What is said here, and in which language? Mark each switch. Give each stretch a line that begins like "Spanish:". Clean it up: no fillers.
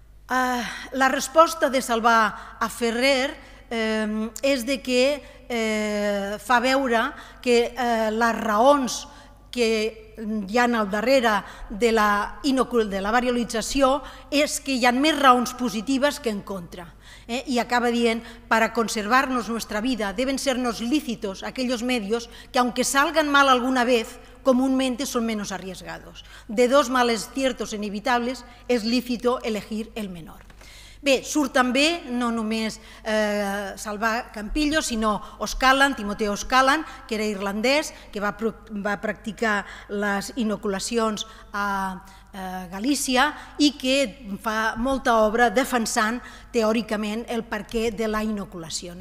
Catalan: La resposta de Salvà a Ferrer és de que fa veure que les raons que hi ha al darrere de la variolització és que hi ha més raons positives que en contra. I acaba dient,
Spanish: para conservarnos nuestra vida deben sernos lícitos aquellos medios que aunque salgan mal alguna vez, comúnmente son menos arriesgados. De dos males ciertos inevitables es lícito elegir el menor.
Catalan: Bé, surt també no només Salvà Campillo, sinó O'Scallan, Timoteo O'Scallan, que era irlandès, que va practicar les inoculacions a Galícia i que fa molta obra defensant teòricament el perquè de la inoculació.